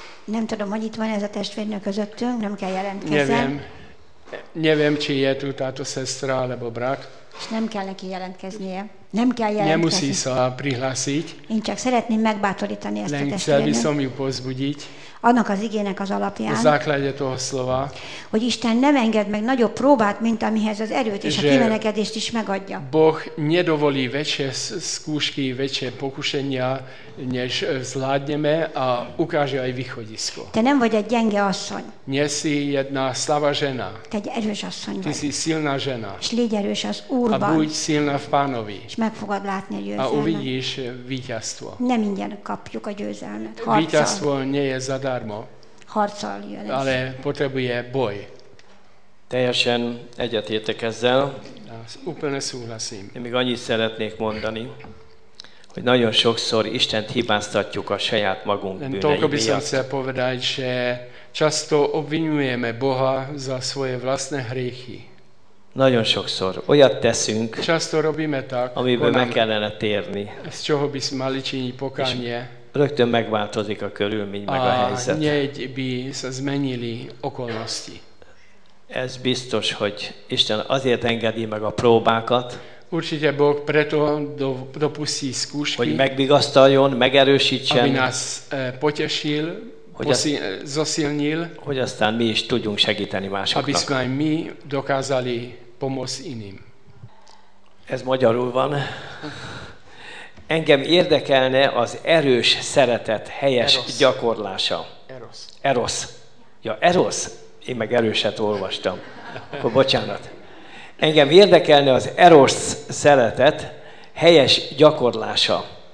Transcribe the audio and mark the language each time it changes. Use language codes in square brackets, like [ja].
[hu] Nem tudom, hogy itt van ez a testvérnő közöttünk, nem kell jelentkezni. [sk] Neviem. Neviem, či je tu táto sestra alebo brat. [hu] Nem kell neki jelentkeznie. Nem kell jelentkezni. [sk] Nemusí sa prihlásiť. [hu] Én csak szeretném megbátorítani ezt a testvérnőt. [sk] Len chcel by som ju pozbudiť. [hu] Annak az igének az alapján. [sk] A základe toho slova. [hu] Hogy Isten nem enged meg nagyobb próbát, mint amihez az erőt és a kimenekedést is megadja. [sk] Boh nedovolí väčšie skúšky, väčšie pokušenia, než zvládneme a ukáže aj východisko. [hu] Te nem vagy egy gyenge asszony. [sk] Nie si jedna slava žena. [hu] Te egy erős asszony vagy. [sk] Ty si silná žena. [hu] És légy erős az Úrban. [sk] A buď silná v Pánovi. [hu] És meg fogod látni a győzelmet. [sk] A uvidíš víťazstvo. [hu] Nem ingyen kapjuk a győzelmet. Harcol. [sk] Víťazstvo nie je zadarmo. [hu] Harcol jön. [sk] Ale potrebuje boj. [hu] Teljesen egyetértek ezzel. [sk] Úplne súhlasím. [hu] Én még annyit szeretnék mondani, hogy nagyon sokszor Istent hibáztatjuk a saját magunk bűnei miatt. [sk] Tolko bisom chcel povedať, že často obvinujeme Boha za svoje vlastné hriechy. [hu] Nagyon sokszor olyat teszünk, [sk] často robíme tak, [hu] amiből meg kellene térni. [sk] Z čoho by sme mali činiť pokánie. [hu] Rögtön megváltozik a körülmény, meg a helyzet. [sk] A nieď by sa zmenili okolnosti. [hu] Ez biztos, hogy Isten azért engedi meg a próbákat, [sk] určite Boh preto dopustí skúšky, [hu] hogy megvigasztaljon, megerősítsen, [sk] aby nás potešil, hogy zosilnil, [hu] hogy aztán mi is tudjunk segíteni másoknak, [sk] aby sme aj my dokázali pomôcť iným. [hu] Ez magyarul van. Engem érdekelne az erős szeretet helyes Eros gyakorlása. Erosz. Erosz. Ja, Erosz. Én meg erőset olvastam. Akkor bocsánat. Engem érdekelne az Eros szeretet helyes gyakorlása.